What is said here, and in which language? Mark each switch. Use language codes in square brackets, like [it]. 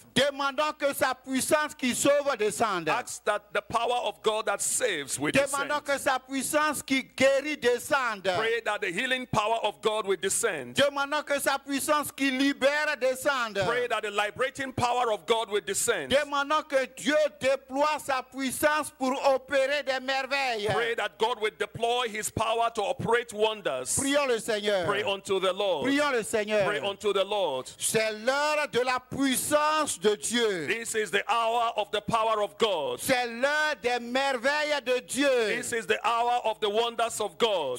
[fr] Demandons que sa puissance qui sauve descende. [en] Ask that the power of God that saves will [fr] descend. Demandons que sa puissance qui guérit descende. [en] Pray that the healing power of God will descend. [fr] Demandons que sa puissance qui libère descende. [en] Pray that the liberating power of God will descend. [fr] Demandons que Dieu déploie sa puissance pour opérer des merveilles. [en] Pray that God will deploy his power to operate wonders. [fr] Prions le Seigneur. [en] Pray unto the Lord. [fr] Prions le Seigneur. [en] Pray unto the Lord. [fr] C'est l'heure de la puissance de Dieu. [en] This is the hour of the power of God. [fr] C'est l'heure des merveilles de Dieu. [en] This is the hour of the wonders of God.